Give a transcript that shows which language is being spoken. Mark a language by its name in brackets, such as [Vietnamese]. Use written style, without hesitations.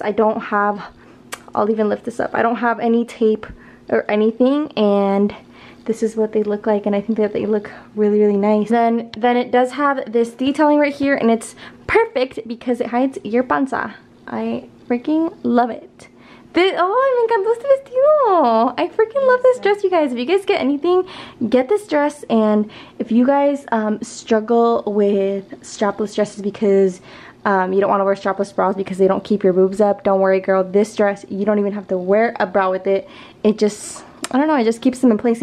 [English] I don't have, I'll even lift this up, I don't have any tape or anything, and this is what they look like, and I think that they look really, really nice. Then it does have this detailing right here, and it's perfect because it hides your panza. I freaking love it. [Spanish] Oh, me encantó este vestido. [English] I freaking love this dress, you guys. If you guys get anything, get this dress. And if you guys struggle with strapless dresses because you don't want to wear strapless bras because they don't keep your boobs up, don't worry, girl. This dress, you don't even have to wear a bra with it. It just, I don't know, it just keeps them in place.